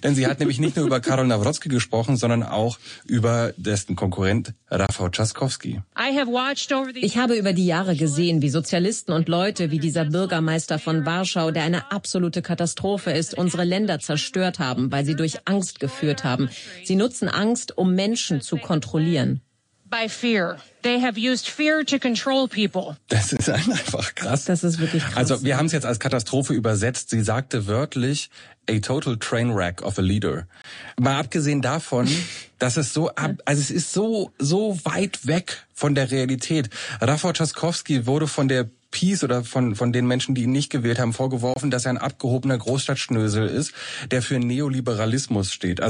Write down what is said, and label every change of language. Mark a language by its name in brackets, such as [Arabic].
[German] Denn sie hat nämlich nicht nur über Karol Nawrocki gesprochen, sondern auch über dessen Konkurrent Rafał Trzaskowski. Ich habe über die Jahre gesehen, wie Sozialisten und Leute wie dieser Bürgermeister von Warschau, der eine absolute Katastrophe ist, unsere Länder zerstört haben, weil sie durch Angst geführt haben. Sie nutzen Angst, um Menschen zu kontrollieren. [English] By fear. They have used fear to control people. [German] Das ist einfach krass. Das ist wirklich krass. Also wir haben es jetzt als Katastrophe übersetzt. Sie sagte wörtlich, [English] a total train wreck of a leader. [German] Mal abgesehen davon, dass es so, also es ist so weit weg von der Realität. Rafał Trzaskowski wurde von der Peace oder von den Menschen, die ihn nicht gewählt haben, vorgeworfen, dass er ein abgehobener Großstadtschnösel ist, der für Neoliberalismus steht.